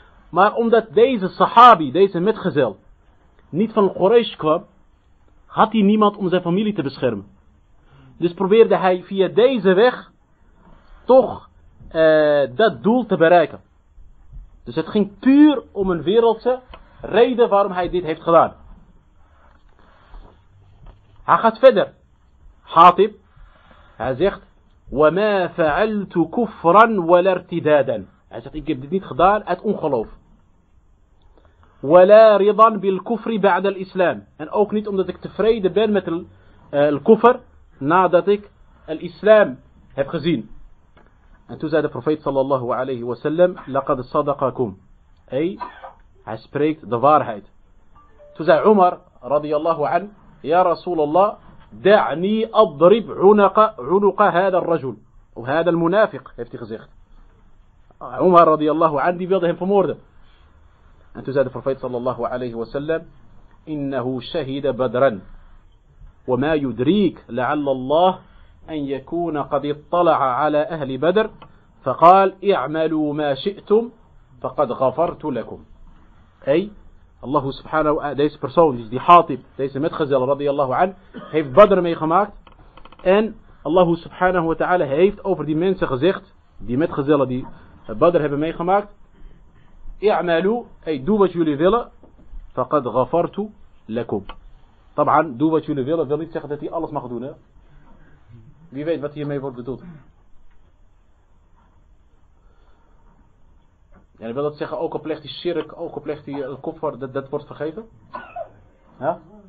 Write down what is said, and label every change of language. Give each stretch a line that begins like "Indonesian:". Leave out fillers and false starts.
Dutch: Maar omdat deze sahabi, deze metgezel, niet van Quraysh kwam, had hij niemand om zijn familie te beschermen. Dus probeerde hij via deze weg toch dat doel te bereiken. Dus het ging puur om een wereldse reden waarom hij dit heeft gedaan. Hij gaat verder. Hatib. Hij zegt:
Arabic: وَمَا فَعَلْتُ كُفْرًا وَلَا ارْتِدَادًا.
Dutch: Hij zegt: ik heb dit niet gedaan uit ongeloof.
Arabic: وَلَا رِضًا بِالْكُفْرِ بَعْدَ الْإِسْلَامِ.
Dutch: En ook niet omdat ik tevreden ben met de koffer nadat ik de islam heb gezien. En toen zei de profeet sallallahu alayhi wa sallam:
Arabic: لَقَدْ صَدَقَكُمْ.
Dutch: Hij spreekt de waarheid. Toen zei Umar radiyallahu an: ja Rasulallah,
Arabic: da'ni adrib unuqa hada ar-rajul.
Dutch: Of
Arabic: hada al-munafiq,
Dutch: heeft hij gezegd. Umar radiyallahu an, die wilde hem vermoorden. En toen zei de profeet sallallahu alayhi wa sallam:
Arabic: innahu shahida badran. Wa ma yudrik la'allallah أن يكون قد اطلع على أهل بدر فقال اعملوا ما شئتم فقد غفرت لكم.
Dutch: أي الله سبحانه deze persoon, deze Hatib, deze metgezel radiyallahu an, heeft Badr meegemaakt en Allah subhanahu wa ta'ala heeft over die mensen gezegd, die metgezellen die Badr hebben meegemaakt,
Arabic: اعملوا اي
English: do what you will
Arabic: فقد غفرت لكم.
Dutch: طبعا
English: do what you will
Dutch: wil niet zeggen dat hij alles mag doen, hè? Wie weet wat hiermee wordt bedoeld. En wil dat zeggen, ook al pleegt die shirk, ook al pleegt die koffer, dat wordt vergeven? Ja?